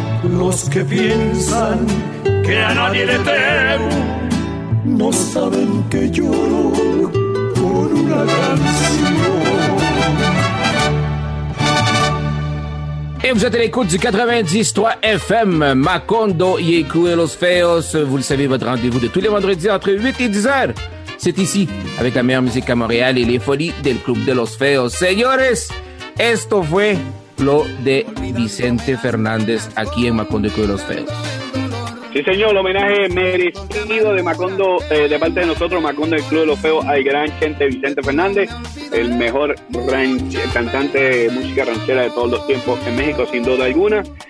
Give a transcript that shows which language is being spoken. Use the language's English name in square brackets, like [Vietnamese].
[Spanish] Los que piensan que a nadie le temo no saben que lloro por una canción. [French] Et vous êtes à l'écoute du 90.3 FM, Macondo, Yeku et Los Feos. Vous le savez, votre rendez-vous de tous les vendredis entre 8 et 10 heures. C'est ici, avec la meilleure musique à Montréal et les folies del Club de Los Feos. [Spanish] Señores, esto fue lo de Vicente Fernández aquí en Macondo y los Feos. Sí, señor, el homenaje merecido de Macondo, de parte de nosotros, Macondo y el Club de los Feos, al gran gente Vicente Fernández, el mejor cantante de música ranchera de todos los tiempos en México, sin duda alguna.